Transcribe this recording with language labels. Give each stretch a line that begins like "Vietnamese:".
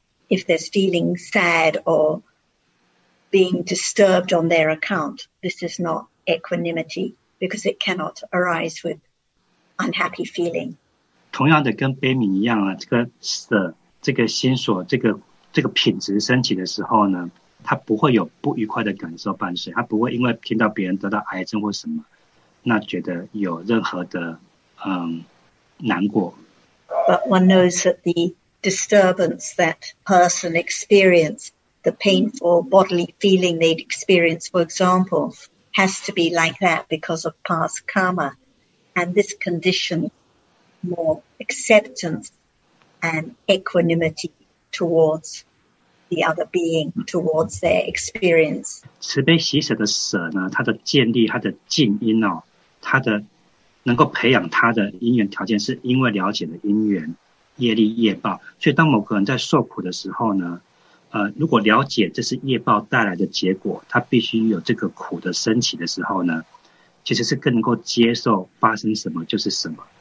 English: If they're feeling sad or being disturbed on their account, this is not equanimity because it cannot arise with unhappy feeling.
Chinese: 同样的跟悲悯一样啊，这个舍，这个心所，这个品质升起的时候呢，它不会有不愉快的感受伴随，它不会因为听到别人得到癌症或什么，那觉得有任何的难过。
English: But one knows that the disturbance that person experienced, the painful bodily feeling they'd experienced, for example, has to be like that because of past karma. And this condition, more acceptance and equanimity towards the other being, towards their experience.
Chinese: 慈悲喜舍的舍呢，它的建立，它的静因哦，它的能够培养他的因缘条件，是因为了解了因缘、业力、业报。所以，当某个人在受苦的时候呢，如果了解这是业报带来的结果，他必须有这个苦的升起的时候呢，其实是更能够接受发生什么就是什么。